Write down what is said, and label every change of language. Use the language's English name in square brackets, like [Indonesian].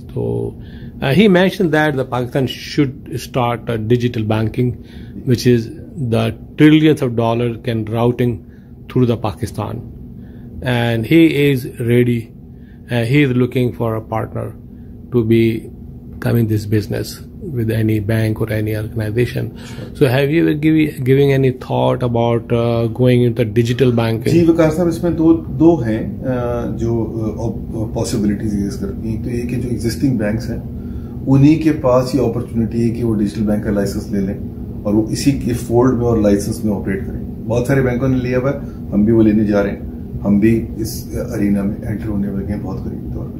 [English] तो he mention that the Pakistan should start a digital banking which is the trillions of dollar can routing through the Pakistan and he is ready, he is looking for a partner to be coming this business with any bank or any organization. Sure. So have you giving any thought about going into digital banking? [Hindi] जी विकास साहब, इसमें दो हैं जो possibilities exist करती हैं. तो एक है जो existing banks हैं उन्हीं के पास ये opportunity है कि वो digital bank का license ले लें और वो इसी के fold में और license में operate करें. बहुत सारे बैंकों ने लिया हुआ, हम भी वो लेने जा रहे हैं, हम भी इस arena में enter होने वाले हैं बहुत करीब तौर.